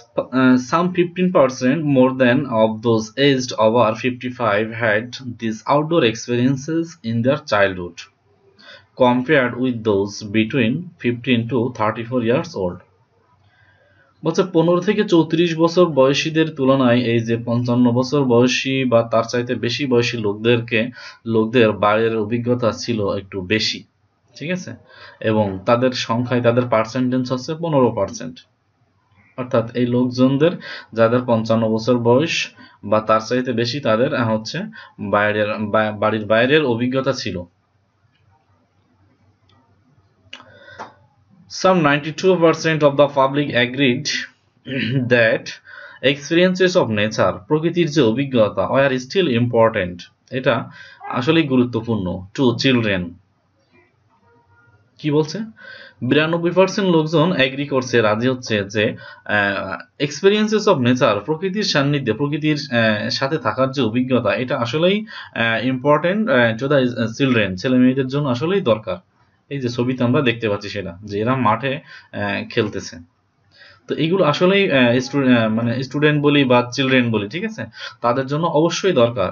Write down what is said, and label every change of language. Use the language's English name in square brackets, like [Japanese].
[English] Some 15% more than of those aged over 55 had these outdoor experiences in their childhood compared with those between 15 to 34 years old. [Bangla] বলছে 15 থেকে 34 বছর বয়সীদের তুলনায় এই যে 55 বছর বয়সী বা তার চাইতে বেশি বয়সী লোকদের বাইরের অভিজ্ঞতা ছিল একটু বেশি, ঠিক আছে, এবং তাদের সংখ্যায় তাদের পার্সেন্টেজ হচ্ছে 15%। অর্থাৎ এই লোকজনদের যাদের 55 বছর বয়স বা তার চাইতে বেশি, তাদের হচ্ছে বাইরের বাড়ির বাইরের অভিজ্ঞতা ছিল। [English] Some 92% of the public agreed that experiences of nature, [Bangla] প্রকৃতির যে অভিজ্ঞতা, [English] are still important, [Bangla] এটা আসলে গুরুত্বপূর্ণ, [English] to children. [Bangla] কি বলছে? 92% লোকজন এগ্রি করছে, রাজি হচ্ছে যে [English] experiences of nature, [Bangla] প্রকৃতির সান্নিধ্যে, প্রকৃতির সাথে থাকার যে অভিজ্ঞতা, এটা আসলেই [English] important to the children, [Bangla] ছেলেমেয়েদের জন্য আসলেই দরকার। এই যে ছবিতে আমরা দেখতে পাচ্ছি সেটা, যে এরা মাঠে খেলতেছে, তো এইগুলো আসলেই মানে স্টুডেন্ট বলি বা চিলড্রেন বলি, ঠিক আছে, তাদের জন্য অবশ্যই দরকার।